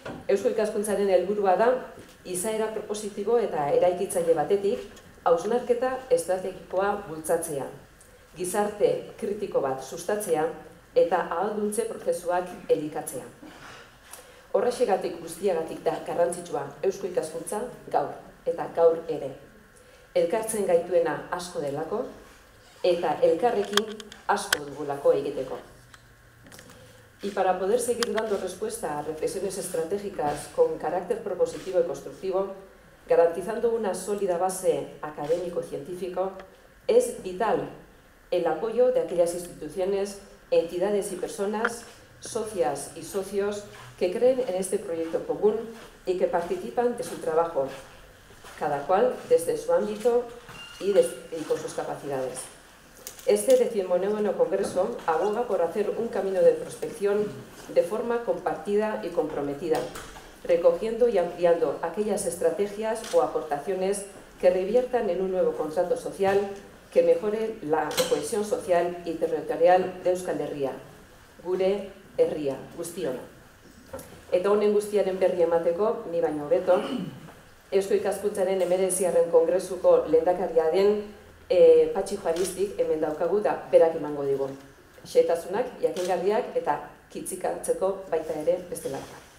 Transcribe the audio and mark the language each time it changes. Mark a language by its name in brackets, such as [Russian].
[Basque] Eusko Ikaskuntzaren helburua da, izaera propositibo eta eraikitzaile batetik, hausnarketa estrategikoa bultzatzea, gizarte kritiko bat sustatzea eta ahalduntze prozesuak elikatzea. Horrexegatik guztiagatik da garrantzitsua Eusko Ikaskuntza gaur eta gaur ere. Elkartzen gaituena asko delako eta elkarrekin asko dugulako egiteko. [Spanish] Y para poder seguir dando respuesta a reflexiones estratégicas con carácter propositivo y constructivo, garantizando una sólida base académico-científico, es vital el apoyo de aquellas instituciones, entidades y personas, socias y socios que creen en este proyecto común y que participan de su trabajo, cada cual desde su ámbito y con sus capacidades. Este 19º Congreso aboga por hacer un camino de prospección de forma compartida y comprometida, recogiendo y ampliando aquellas estrategias o aportaciones que reviertan en un nuevo contrato social que mejore la cohesión social y territorial de Euskal Herria, [Basque] gure herria, guztiona. Eta honen guztiaren berri emateko, ni baino beto, Eusko Ikaskuntzaren 19. Kongresuko lehendakaria den Patxi Juaristik hemen daukagu da berak emango digu. Xehetasunak, jakingarriak eta kitzikatzeko baita ere bestelakoa.